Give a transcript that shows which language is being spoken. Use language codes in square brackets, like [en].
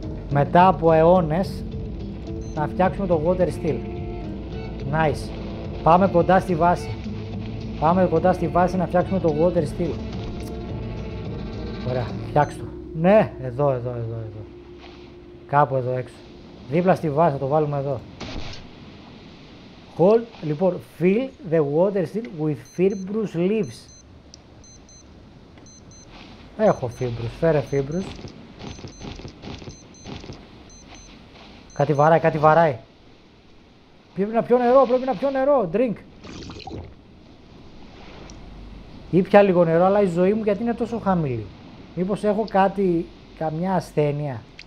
[el] Μετά από αιώνες να φτιάξουμε το water steel. Nice. Πάμε κοντά στη βάση. Πάμε κοντά στη βάση να φτιάξουμε το water steel. Ωραία, φτιάξ' το. Ναι, εδώ. Κάπου εδώ έξω. Δίπλα στη βάση, θα το βάλουμε εδώ. [en] Hold, λοιπόν, fill the water steel with fibrous leaves. [el] Έχω fibrous, φέρε fibrous. Κάτι βαράει. Πρέπει να πιω νερό, drink. ήπια λίγο νερό, αλλά η ζωή μου γιατί είναι τόσο χαμηλή. Μήπως έχω κάτι, καμιά ασθένεια.